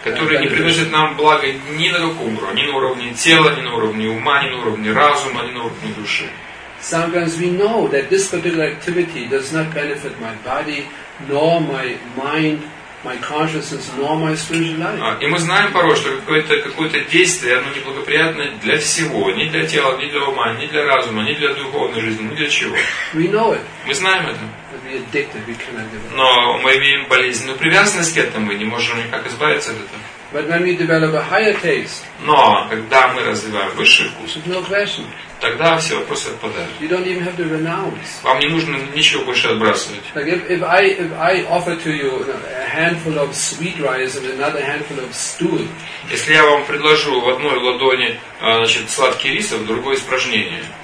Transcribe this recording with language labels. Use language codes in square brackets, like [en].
[ru] Которые не приносят нам блага ни на каком уровне, ни на уровне тела, ни на уровне ума, ни на уровне разума, ни на уровне души. [en] Sometimes we know that this particular activity does not benefit my body, nor my mind, my consciousness, nor my spiritual life. [ru] И мы знаем порой, что какое-то действие, оно неблагоприятное для всего, ни для тела, ни для ума, ни для разума, ни для духовной жизни, ни для чего. [en] We know it. [ru] Мы знаем это. [en] Addicted, we cannot give up. [ru] Но мы имеем болезненную привязанность к этому, мы не можем никак избавиться от этого. [en] But when we develop a higher taste, [ru] но когда мы развиваем высший вкус, [en] no question. [ru] Тогда все вопросы отпадают. [en] You don't even have to renounce. [ru] Вам не нужно ничего больше отбрасывать. [en] Like if I offer to you a handful of sweet rice and another handful of stool. [ru] Если я вам предложу в одной ладони значит, сладкий рис, а в другой испражнение.